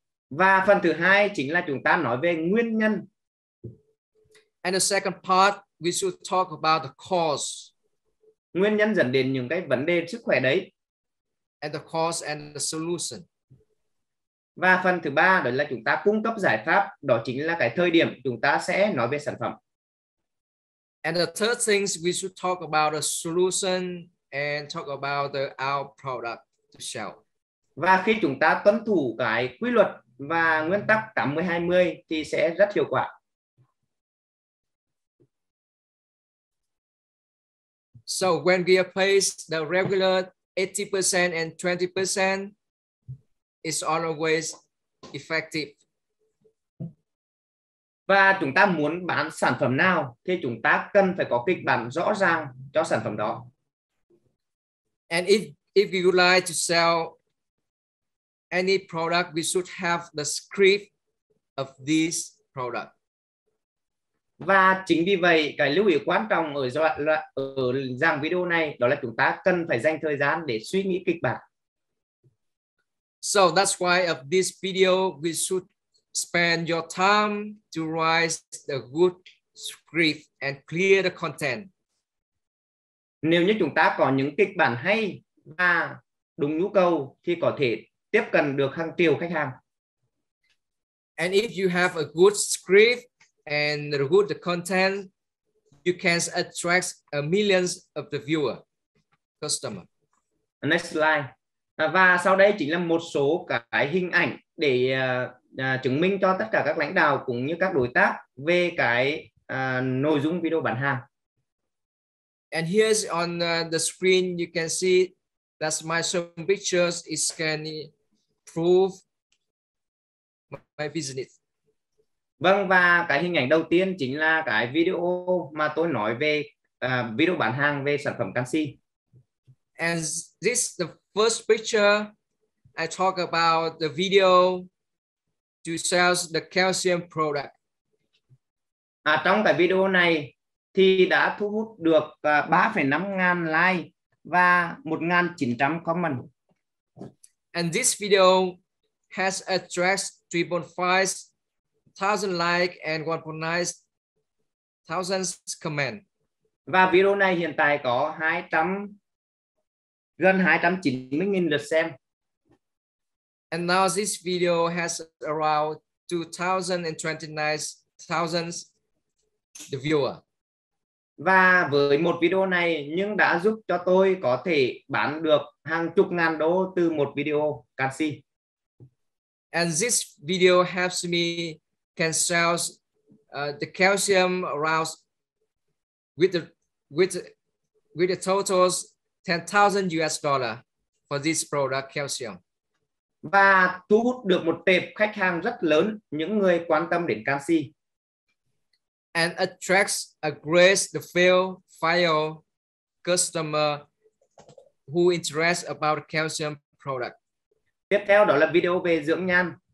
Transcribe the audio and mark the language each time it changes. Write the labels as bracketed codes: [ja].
[vi] Và phần thứ hai chính là chúng ta nói về nguyên nhân. [en] And the second part, we should talk about the cause. [vi] Nguyên nhân dẫn đến những cái vấn đề sức khỏe đấy. [en] And the cause and the solution. [vi] Và phần thứ ba đó là chúng ta cung cấp giải pháp. Đó chính là cái thời điểm chúng ta sẽ nói về sản phẩm. [en] And the third thing, we should talk about the solution and talk about the our product to sell. [vi] Và khi chúng ta tuân thủ cái quy luật và nguyên tắc 80-20 thì sẽ rất hiệu quả. [en] So when we face the regular 80% and 20%, it's always effective. [vi] Và chúng ta muốn bán sản phẩm nào thì chúng ta cần phải có kịch bản rõ ràng cho sản phẩm đó. [en] And if you would like to sell any product, we should have the script of this product. [vi] Và chính vì vậy, cái lưu ý quan trọng ở dạng video này đó là chúng ta cần phải dành thời gian để suy nghĩ kịch bản. [en] So that's why of this video, we should spend your time to write the good script and clear the content. [vi] Nếu như chúng ta có những kịch bản hay và đúng nhu cầu thì có thể tiếp cận được hàng triệu khách hàng. [en] And if you have a good script and good content, you can attract a millions of the viewer, customer. Next slide. [vi] Và sau đây chính là một số cái hình ảnh để chứng minh cho tất cả các lãnh đạo cũng như các đối tác về cái nội dung video bán hàng. [en] And here's on the screen, you can see that my some pictures is can prove my business. [vi] Vâng, và cái hình ảnh đầu tiên chính là cái video mà tôi nói về video bán hàng về sản phẩm canxi. [en] And this is the first picture I talk about the video to sell the calcium product. [vi] À, trong cái video này thì đã thu hút được 3,5 ngàn like và 1,900 comment. [en] And this video has attracted 3,500 like and 1,900 comment. [vi] Và video này hiện tại có 200 gần 290,000 lượt xem. [en] And now this video has around 229,000 the viewer. [vi] Và với một video này nhưng đã giúp cho tôi có thể bán được hàng chục ngàn đô từ một video canxi. [en] And this video helps me can sell the calcium around with the totals 10,000 US dollar for this product calcium. [vi] Và thu hút được một tệp khách hàng rất lớn, những người quan tâm đến canxi. [en] And attracts a great the field file customer who interest about calcium product. [vi] Tiếp theo đó là video về dưỡng nhan.